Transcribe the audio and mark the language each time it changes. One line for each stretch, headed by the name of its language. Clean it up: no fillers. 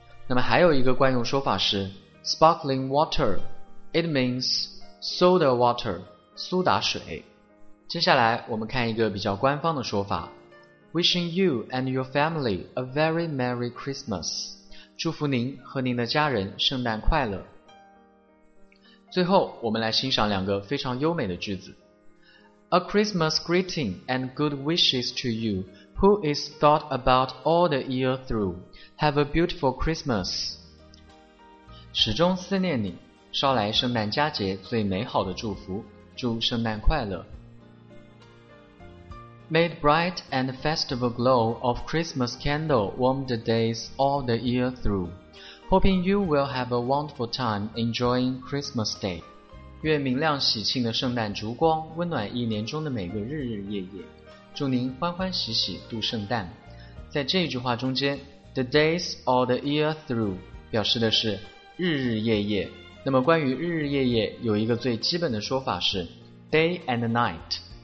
Chinese: 那么还有一个惯用说法是
English: sparkling water， it means soda water，
Chinese: 苏打水。接下来我们看一个比较官方的说法，
English: wishing you and your family a very merry Christmas，
Chinese: 祝福您和您的家人圣诞快乐。最后我们来欣赏两个非常优美的句子。
English: A Christmas greeting and good wishes to you, who is thought about all the year through. Have a beautiful Christmas.
Chinese: 始终思念你，捎来圣诞佳节最美好的祝福，祝圣诞快乐。
English: May the bright and festival glow of Christmas candle warm the days all the year through. Hoping you will have a wonderful time enjoying Christmas Day.
Chinese: 愿明亮喜庆的圣诞烛光温暖一年中的每个日日夜夜，祝您欢欢喜喜度圣诞。在这句话中间
English: The days all the year through
Chinese: 表示的是日日夜夜。那么关于日日夜夜有一个最基本的说法是
English: Day and night。